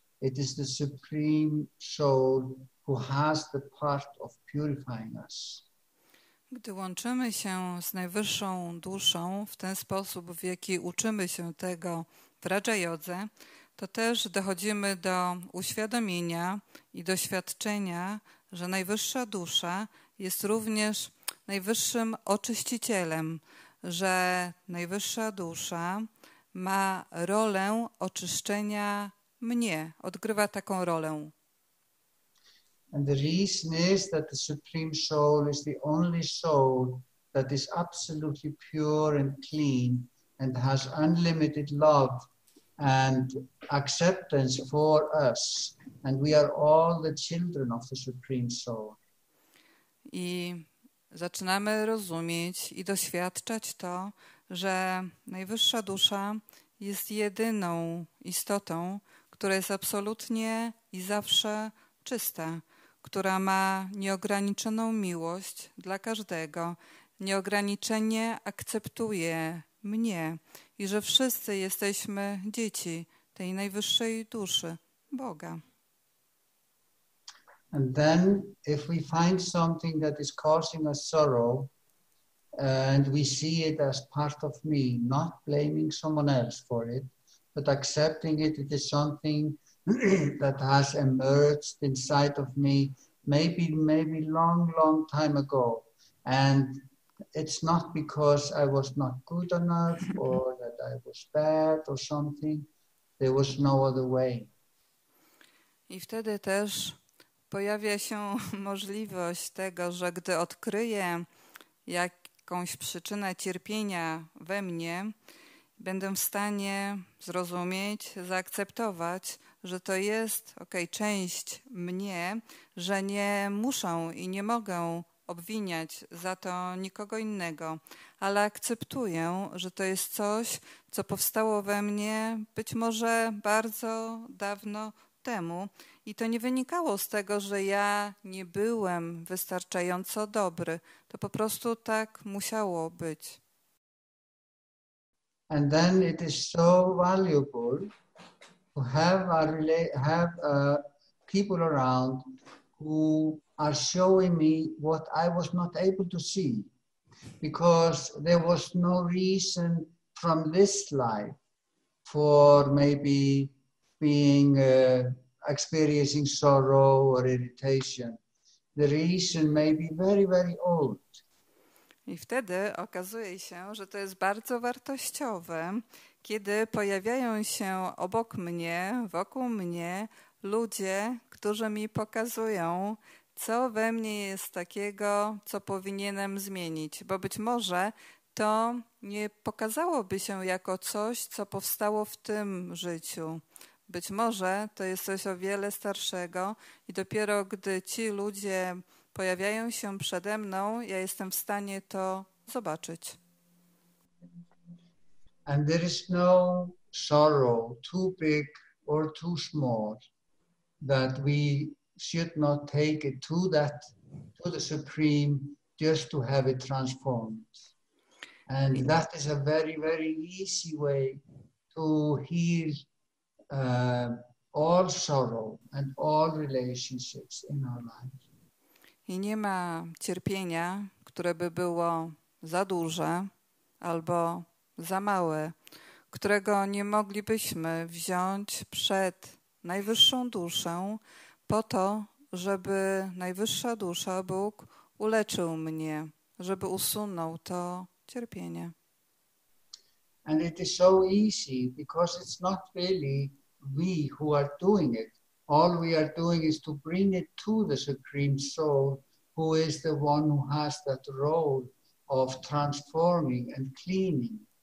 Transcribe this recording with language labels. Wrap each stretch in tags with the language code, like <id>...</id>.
<en>It is the Supreme Soul who has the part of purifying us.</en> <pl>Gdy łączymy się z najwyższą duszą w ten sposób, w jaki uczymy się tego w Raja Jodze, to też dochodzimy do uświadomienia i doświadczenia, że najwyższa dusza jest również najwyższym oczyścicielem, że najwyższa dusza ma rolę oczyszczenia mnie, odgrywa taką rolę.</pl> <en>And the reason is that the Supreme Soul is the only soul that is absolutely pure and clean and has unlimited love and acceptance for us, and we are all the children of the Supreme Soul.</en> <pl>I zaczynamy rozumieć i doświadczać to, że najwyższa dusza jest jedyną istotą, która jest absolutnie i zawsze czysta, która ma nieograniczoną miłość dla każdego, nieograniczenie akceptuje mnie i że wszyscy jesteśmy dzieci tej najwyższej duszy, Boga.</pl> <en>And then if we find something that is causing us sorrow and we see it as part of me, not blaming someone else for it, but accepting it, it is something that has emerged inside of me maybe long, long time ago. And it's not because I was not good enough or that I was bad or something. There was no other way.</en> <pl>I wtedy też pojawia się możliwość tego, że gdy odkryję jakąś przyczynę cierpienia we mnie, będę w stanie zrozumieć, zaakceptować, że to jest część mnie, że nie muszę i nie mogę obwiniać za to nikogo innego, ale akceptuję, że to jest coś, co powstało we mnie być może bardzo dawno temu i to nie wynikało z tego, że ja nie byłem wystarczająco dobry. To po prostu tak musiało być.</pl> <en>And then it is so valuable to have people around who are showing me what I was not able to see, because there was no reason from this life for maybe being experiencing sorrow or irritation. The reason may be very, very old.</en> <pl>I wtedy okazuje się, że to jest bardzo wartościowe, kiedy pojawiają się obok mnie, wokół mnie ludzie, którzy mi pokazują, co we mnie jest takiego, co powinienem zmienić. Bo być może to nie pokazałoby się jako coś, co powstało w tym życiu. Być może to jest coś o wiele starszego i dopiero gdy ci ludzie pojawiają się przede mną, ja jestem w stanie to zobaczyć.</pl> <en>And there is no sorrow too big or too small that we should not take it to the Supreme just to have it transformed. And that is a very, very easy way to heal all sorrow and all relationships in our lives.</en> <pl>I nie ma cierpienia, które by było za duże albo za małe, którego nie moglibyśmy wziąć przed najwyższą duszą po to, żeby najwyższa dusza, Bóg, uleczył mnie, żeby usunął to cierpienie.</pl> <en>And it is so easy because it's not really we who are doing it. All we are doing is to bring it to the Supreme Soul, who is the one who has that role of transforming and cleaning.</en>